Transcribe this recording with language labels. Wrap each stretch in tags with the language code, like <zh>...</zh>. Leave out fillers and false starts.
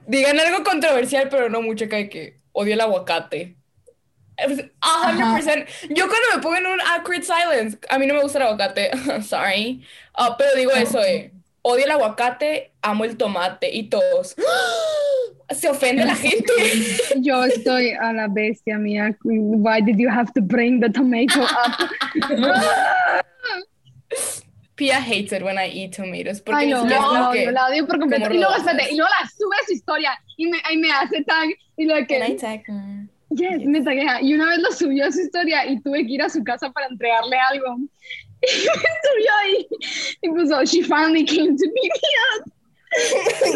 <es>Digan algo controversial, pero no mucho, que odio el aguacate. 100%. Ajá. Yo cuando me pongo en un</es> <en>awkward silence,</en> <es>a mí no me gusta el aguacate.</es> <en>Sorry.</en> <es>Pero digo eso, odio el aguacate, amo el tomate y todos. Se ofende la gente. Yo estoy a la bestia mía.</es> <en>Why did you have to bring the tomato up? Pia hates it when I eat tomatoes.</en> <es>Porque ay, no, no, que, yo la odio por completo. Y luego, espérate, y luego la sube a su historia y me hace tag. Y luego que.</es> <en>Can I tag her? Yes,</en> <es>me taguea. Y una vez lo subió a su historia y tuve que ir a su casa para entregarle algo. Y me subió ahí. Y puso,</es> <en>she finally came to pick me up.</en>